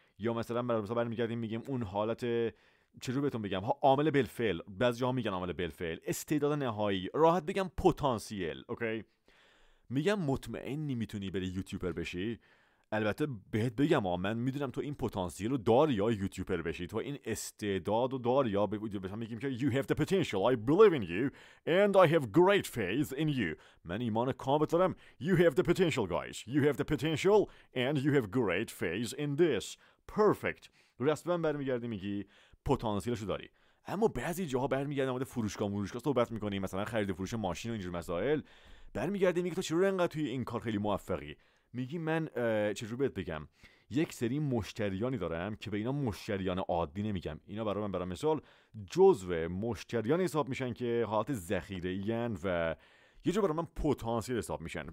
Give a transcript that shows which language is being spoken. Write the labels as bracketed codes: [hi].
[fa] یا مثلا برمیگردیم میگیم اون حالت، چجور بهتون بگم، عامل بالفعل، بعضی ها میگن عامل بالفعل، استعداد نهایی، راحت بگم پتانسیل. اوکی میگم مطمئنی میتونی بری یوتیوبر بشی؟ البته بهت بگم من میدونم تو این پتانسیل رو داری یا یوتیوبر بشی، تو این استعداد رو داری یا یوتیوبر بشی. میگیم که [en] you have the potential, I believe in you and I have great faith in you. [fa] من ایمان کامل دارم. [en] You have the potential guys, you have the potential and you have great faith in this. Perfect. [fa] راست من برمیگردی میگی پتانسیلشو داری. اما بعضی جاها برمیگردیم مورد فروشگاه صحبت میکنیم، مثلا خرید فروش ماشین و اینجور مسائل، برمیگردی میگی تو چرا انقدر توی این کار خیلی موفقی؟ میگی من چجور بهت بگم، یک سری مشتریانی دارم که به اینا مشتریان عادی نمیگم، اینا برای من برای مثال جزو مشتریان حساب میشن که حالت ذخیره این و یه جور برای من پتانسیل حساب میشن.